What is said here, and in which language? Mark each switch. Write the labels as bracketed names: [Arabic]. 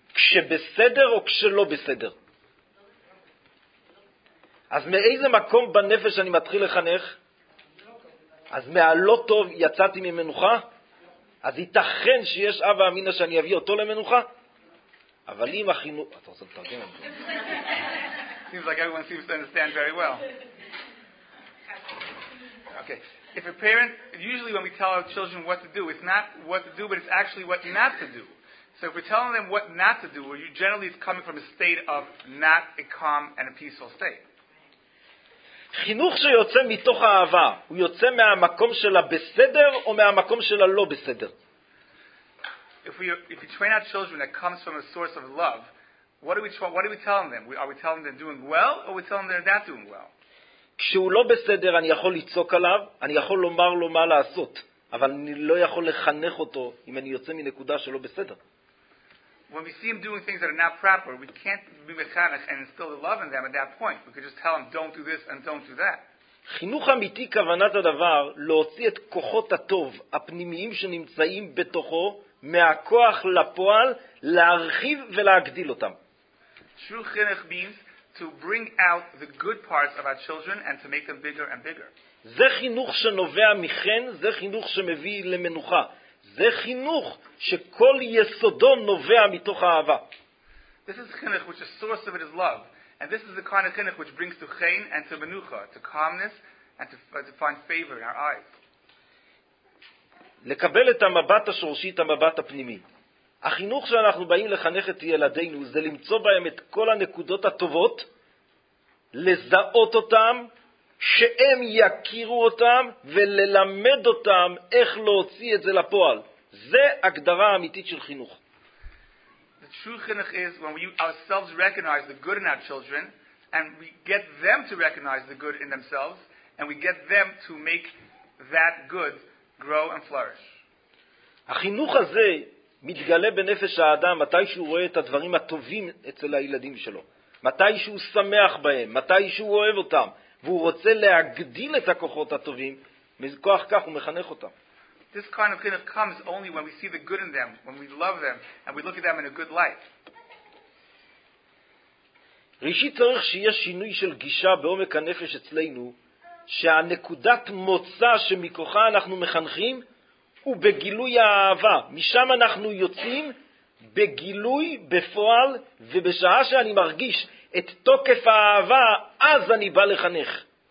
[Hebrew] כשבסדר או כשלא בסדר? אז מאיזה מקום בנפש אני מתחיל לחנך? אז מהלא טוב יצאתי ממנוחה? אז ייתכן שיש אבא אמינה שאני אביא אותו למנוחה? אבל אם החינוך... אתה עושה לתרגם? [English] Seems like everyone seems to understand very well. Okay. If a parent, usually when we tell our children what to do, it's not what to do, but it's actually what not to do. So if we're telling them what not to do, well, you generally it's coming from a state of not a calm and a peaceful state. [Hebrew] חינוך שיוצא מתוך האהבה, הוא יוצא מהמקום של הבסדר או מהמקום של הלא בסדר? [English] If we train our children that comes from a source of love, what are we telling them? Are we telling them doing well or are we telling them they're not doing well? [Hebrew] כשהוא לא בסדר, אני יכול לצעוק עליו, אני יכול לומר לו מה לעשות, אבל אני לא יכול לחנך אותו אם אני יוצא מנקודה שלא בסדר. [English] When we see him doing things that are not proper, we can't be mechanic and instill the love in them at that point. We could just tell him, don't do this and don't do that. [Hebrew] חינוך אמיתי כוונת הדבר להוציא את כוחות הטוב הפנימיים שנמצאים בתוכו מהכוח לפועל, להרחיב ולהגדיל אותם. [English] True חינוך means to bring out the good parts of our children and to make them bigger and bigger. [Hebrew] זה חינוך שנובע מכן, זה חינוך שמביא למנוחה. זה חינוך שכל יסודו נובע מתוך אהבה. [English] This is chinuch which the source of it is love. And this is the kind of chinuch which brings to chen and to menucha, to calmness and to find favor in our eyes. [Hebrew] לקבל את המבט השורשי, את המבט הפנימי. החינוך שאנחנו באים לחנך את ילדינו זה למצוא בהם את כל הנקודות הטובות, לזהות אותם, שהם יכירו אותם, וללמד אותם איך להוציא את זה לפועל. זה הגדרה האמיתית של חינוך. [English] The true chinuch is when we ourselves recognize the good in our children, and we get them to recognize the good in themselves, and we get them to make that good grow and flourish. [Hebrew] החינוך הזה מתגלה בנפש האדם מתי שהוא רואה את הדברים הטובים אצל הילדים שלו, מתי שהוא שמח בהם, מתי שהוא אוהב אותם, והוא רוצה להגדיל את הכוחות הטובים, מכוח כך הוא מחנך אותם. [English] This kind of thing comes only when we see the good in them, when we love them, and we look at them in a good light. [Hebrew] ראשית צריך שיש שינוי של גישה בעומק הנפש אצלנו, שהנקודת מוצא שמכוחה אנחנו מחנכים, ובגילוי האהבה, משם אנחנו יוצאים בגילוי, בפועל, ובשעה שאני מרגיש את תוקף האהבה, אז אני בא לחנך.